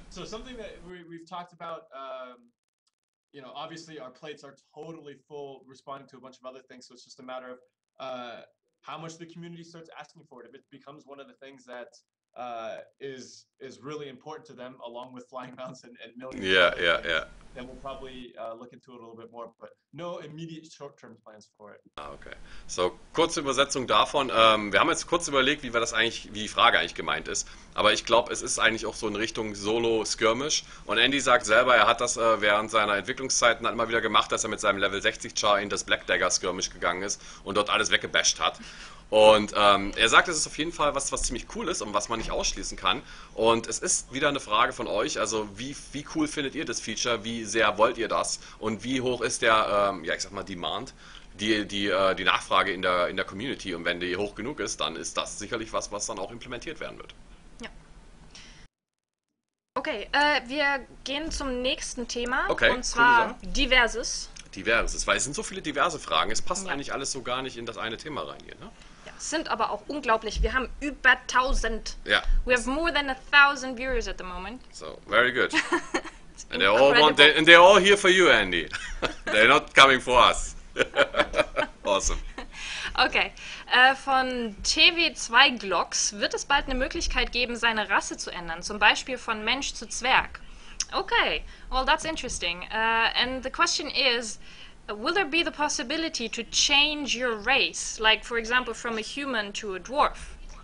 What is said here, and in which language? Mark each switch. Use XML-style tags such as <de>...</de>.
<en>So something that we've talked about, you know, obviously our plates are totally full responding to a bunch of other things, so it's just a matter of how much the community starts asking for it. If it becomes one of the things that is really important to them, along with flying mounts and millions. Yeah. Then we'll probably look into it a little bit more, but no immediate short-term plans for it.</en> <de>Ah, okay. So, kurze Übersetzung davon. Wir haben jetzt kurz überlegt, wie die Frage eigentlich gemeint ist. Aber ich glaube, es ist eigentlich auch so in Richtung Solo-Skirmish. Und Andy sagt selber, er hat das während seiner Entwicklungszeiten halt immer wieder gemacht, dass er mit seinem Level 60-Char in das Black Dagger-Skirmish gegangen ist und dort alles weggebasht hat. Und er sagt, es ist auf jeden Fall was ziemlich cool ist und was man nicht ausschließen kann. Und es ist wieder eine Frage von euch, also wie cool findet ihr das Feature, wie sehr wollt ihr das und wie hoch ist der, Demand, die Nachfrage in der Community. Und wenn die hoch genug ist, dann ist das sicherlich was dann auch implementiert werden wird. Ja. Okay, wir gehen zum nächsten Thema, okay, und zwar cool, Diverses, weil es sind so viele diverse Fragen, es passt eigentlich alles so gar nicht in das eine Thema rein hier, ne? Ja, sind aber auch unglaublich. Wir haben über 1000. Ja.</de> <en>We have more than 1000 viewers at the moment. So, very good. And they all want, and they're all here for you, Andy. They're not coming for us. Awesome. Okay.</en> <de>Von TW2 Glocks, wird es bald eine Möglichkeit geben, seine Rasse zu ändern? Zum Beispiel von Mensch zu Zwerg.</de> <en>Okay. Well, that's interesting. And the question is, will there be the possibility to change your race, like for example from a human to a dwarf?</en>